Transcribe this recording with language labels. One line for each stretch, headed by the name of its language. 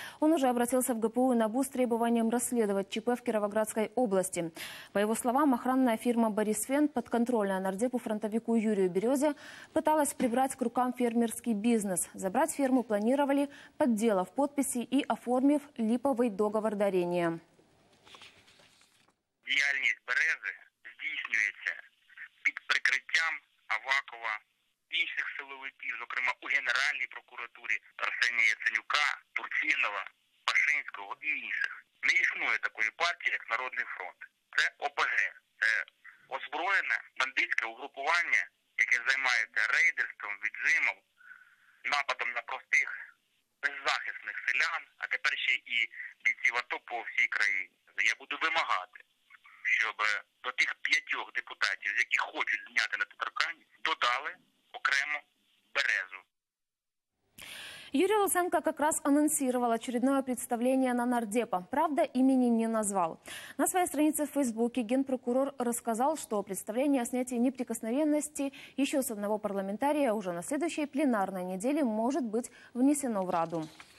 Russian: Он уже обратился в ГПУ и НАБУ с требованием расследовать ЧП в Кировоградской области. По его словам, охранная фирма «Борис Фен», подконтрольная нардепу-фронтовику Юрию Березе, пыталась прибрать к рукам фермерский бизнес. Забрать ферму планировали, подделав подписи и оформив липовый договор дарения. Деятельность Березы
Ukrainian: здійснюється під прикриттям Авакова, інших силовиків, зокрема у Генеральній прокуратурі Арсенія Яценюка, Турчинова, Пашинського і інших. Не існує такої партії, як Народний фронт. Це ОПГ, це озброєне бандитське угрупування, яке займається рейдерством, віджимом, нападом на простих беззахисних селян, а тепер ще і бійців АТО по всій країні. Я буду вимагати, щоб до тих п'ятьох депутатів, які хочуть зняти недоторканність, додали окремо Березу.
Russian: Юрий Луценко как раз анонсировал очередное представление на нардепа. Правда, имени не назвал. На своей странице в Фейсбуке генпрокурор рассказал, что представление о снятии неприкосновенности еще с одного парламентария уже на следующей пленарной неделе может быть внесено в Раду.